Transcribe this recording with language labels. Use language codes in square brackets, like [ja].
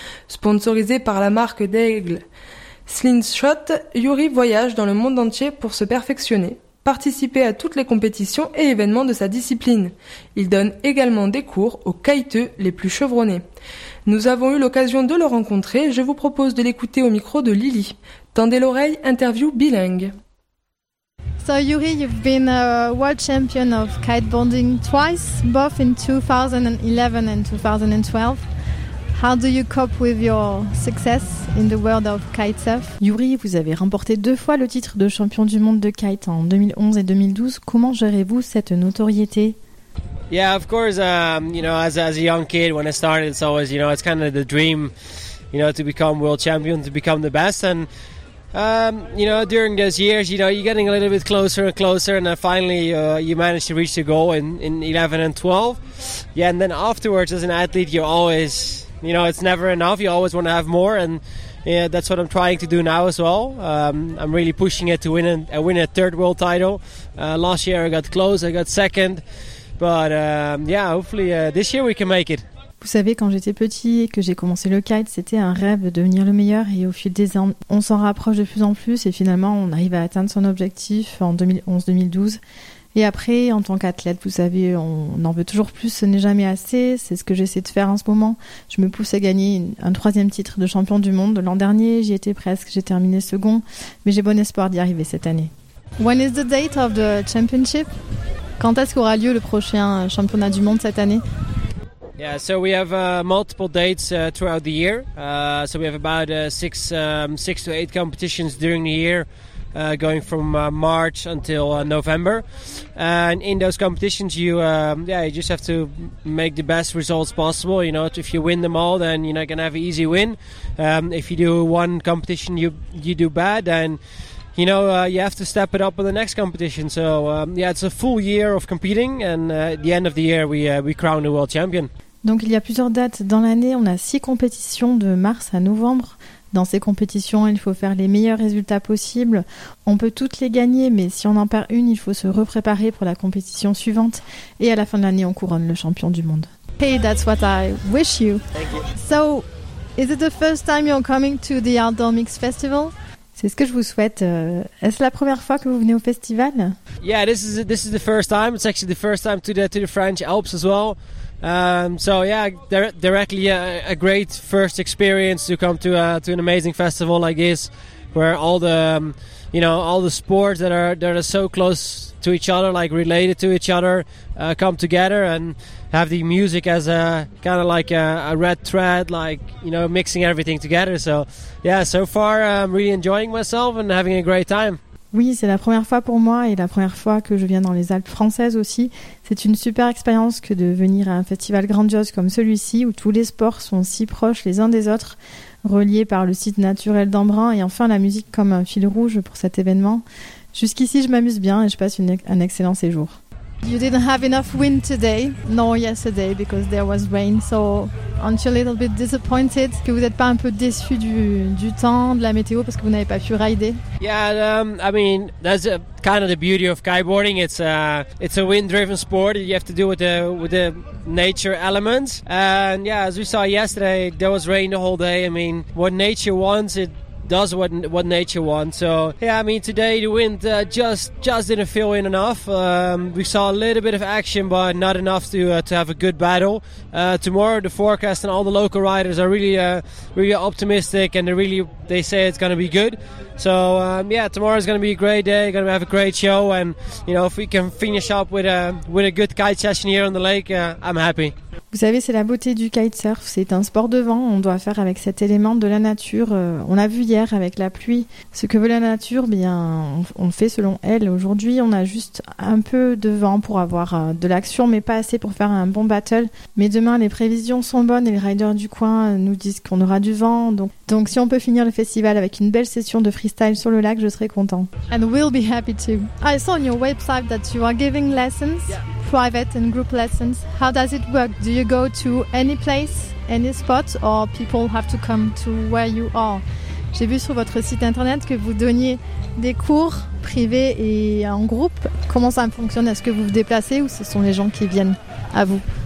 [fr] Sponsorisé par la marque d'aigle Slingshot, Yuri voyage dans le monde entier pour se perfectionner, participer à toutes les compétitions et événements de sa discipline. Il donne également des cours aux kiteux les plus chevronnés. Nous avons eu l'occasion de le rencontrer, je vous propose de l'écouter au micro de Lily. Tendez l'oreille, interview bilingue. [en] So Yuri, you've been a world champion of kiteboarding twice, both in 2011 and 2012. How do you cope with your success in the world of kitesurf? [fr] Yuri, vous avez remporté deux fois le titre de champion du monde de kite en 2011 et 2012. Comment gérez-vous cette notoriété? [en] Yeah, of course. As a young kid, when I started, it's always, you know, it's kind of the dream, you know, to become world champion, to become the best. And you know, during those years, you know, you're getting a little bit closer and closer, and then finally you manage to reach the goal in 11 and 12. Yeah, and then afterwards, as an athlete, you're always, you know, it's never enough. You always want to have more, and yeah, that's what I'm trying to do now as well. I'm really pushing it to win a third world title. Last year I got close, I got second, but yeah, hopefully this year we can make it. [fr] Vous savez, quand j'étais petit et que j'ai commencé le kite, c'était un rêve de devenir le meilleur. Et au fil des ans, on s'en rapproche de plus en plus, et finalement, on arrive à atteindre son objectif en 2011-2012. Et après, en tant qu'athlète, vous savez, on en veut toujours plus, ce n'est jamais assez. C'est ce que j'essaie de faire en ce moment. Je me pousse à gagner un troisième titre de champion du monde. L'an dernier, j'y étais presque, j'ai terminé second. Mais j'ai bon espoir d'y arriver cette année. [en] When is the date of the championship? [fr] Quand est-ce qu'aura lieu le prochain championnat du monde cette année? [en] Yeah, so we have multiple dates throughout the year. So we have about six to eight competitions during the year. Going from March until November, and in those competitions you just have to make the best results possible. You know, if you win them all, then you're not gonna have an easy win. If you do one competition you do bad, then you know you have to step it up in the next competition. So yeah, it's a full year of competing, and at the end of the year we crown the world champion. [fr] Donc il y a plusieurs dates dans l'année, on a six compétitions de mars à novembre. Dans ces compétitions, il faut faire les meilleurs résultats possibles. On peut toutes les gagner, mais si on en perd une, il faut se repréparer pour la compétition suivante. Et à la fin de l'année, on couronne le champion du monde. [en] Hey, that's what I wish you. Thank you. So, is it the first time you're coming to the Outdoor Mix Festival? [fr] C'est ce que je vous souhaite. Est-ce la première fois que vous venez au festival? [en] Yeah, this is the first time. It's actually the first time to the French Alps as well. So yeah, directly a great first experience to come to an amazing festival like this, where all the you know, all the sports that are so close to each other, like related to each other, come together and have the music as a kind of like a red thread, like, you know, mixing everything together. So yeah, so far I'm really enjoying myself and having a great time. [fr] Oui, c'est la première fois pour moi et la première fois que je viens dans les Alpes françaises aussi. C'est une super expérience que de venir à un festival grandiose comme celui-ci où tous les sports sont si proches les uns des autres, reliés par le site naturel d'Embrun et enfin la musique comme un fil rouge pour cet événement. Jusqu'ici, je m'amuse bien et je passe un excellent séjour. [en] You didn't have enough wind today, nor yesterday, because there was rain. So, aren't you a little bit disappointed? [fr] Que vous êtes pas un peu déçu du temps, de la météo, parce que vous n'avez pas pu rider? [en] Yeah, I mean, that's kind of the beauty of kiteboarding. It's a wind-driven sport. You have to deal with the nature elements. And yeah, as we saw yesterday, there was rain the whole day. I mean, what nature wants, it does what nature wants. So yeah, I mean, today the wind just didn't feel in enough. We saw a little bit of action, but not enough to have a good battle. Tomorrow the forecast and all the local riders are really really optimistic, and they say it's going to be good. So yeah, tomorrow is going to be a great day, going to have a great show, and you know, if we can finish up with a good kite session here on the lake, I'm happy. [fr] Vous savez, c'est la beauté du kitesurf. C'est un sport de vent. On doit faire avec cet élément de la nature. On l'a vu hier avec la pluie. Ce que veut la nature, bien, on fait selon elle. Aujourd'hui, on a juste un peu de vent pour avoir de l'action, mais pas assez pour faire un bon battle. Mais demain, les prévisions sont bonnes et les riders du coin nous disent qu'on aura du vent. Donc, si on peut finir le festival avec une belle session de freestyle sur le lac, je serai content. [en] And we'll be happy too. I saw on your website that you are giving lessons. Yeah. Private and group lessons. How does it work? Do you go to any place, any spot, or people have to come to where you are? [fr] J'ai vu sur votre site internet que vous donniez des cours privés et en groupe. Comment ça fonctionne? Est-ce que vous vous déplacez ou ce sont les gens qui viennent à vous?